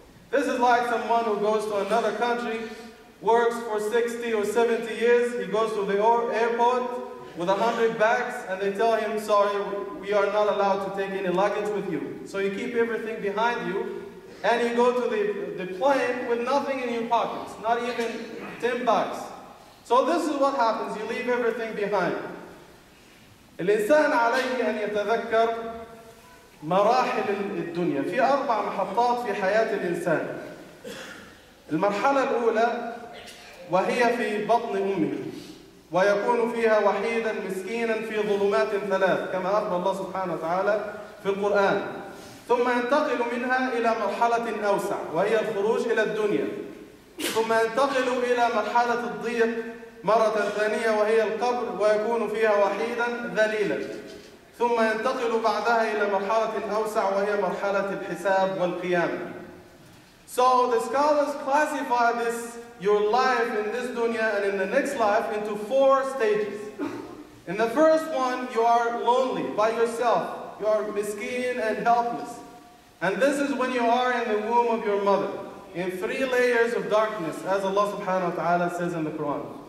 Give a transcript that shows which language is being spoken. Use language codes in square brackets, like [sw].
[en] This is like someone who goes to another country, works for 60 or 70 years, he goes to the airport with 100 bags, and they tell him, sorry, we are not allowed to take any luggage with you. So you keep everything behind you, and you go to the plane with nothing in your pockets, not even 10 bucks. So this is what happens, you leave everything behind. [ar] الإنسان عليه أن يتذكر مراحل الدنيا. في أربع محطات في حياة الإنسان. المرحلة الأولى وهي في بطن أمه ويكون فيها وحيدا مسكينا في ظلمات ثلاث كما أخبر الله سبحانه وتعالى في القرآن. ثم ينتقل منها إلى مرحلة أوسع وهي الخروج إلى الدنيا. ثم ينتقل إلى مرحلة الضيق مرة ثانية وهي القبر ويكون فيها وحيدا ذليلا. ثم ينتقل بعدها إلى مرحلة أوسع وهي مرحلة الحساب والقيامة. [en] So the scholars classify this, your life in this dunya and in the next life, into four stages. In the first one, you are lonely, by yourself. You are miskin and helpless. And this is when you are in the womb of your mother, in three layers of darkness, as Allah subhanahu wa ta'ala says in the Quran.